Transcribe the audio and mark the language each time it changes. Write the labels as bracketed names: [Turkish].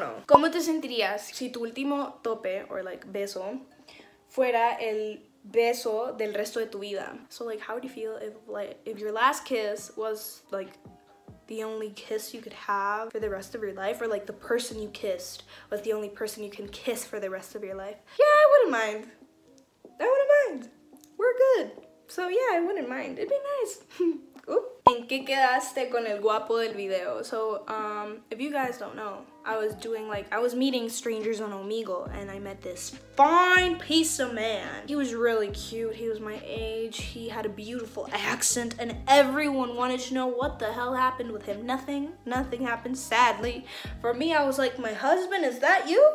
[Spanish] ¿Cómo te sentirías si tu último tope, [English] or like [Spanish] beso, fuera el beso del resto de tu vida? [English] So like, how would you feel if like if your last kiss was like the only kiss you could have for the rest of your life, or like the person you kissed was the only person you can kiss for the rest of your life? Yeah, I wouldn't mind. We're good. So yeah, I wouldn't mind. It'd be nice. [Spanish] ¿En qué quedaste con el guapo del video? [English] So, if you guys don't know, I was meeting strangers on Omegle, and I met this fine piece of man. He was really cute, he was my age, he had a beautiful accent, and everyone wanted to know what the hell happened with him. Nothing happened, sadly. For me, I was like, my husband, is that you?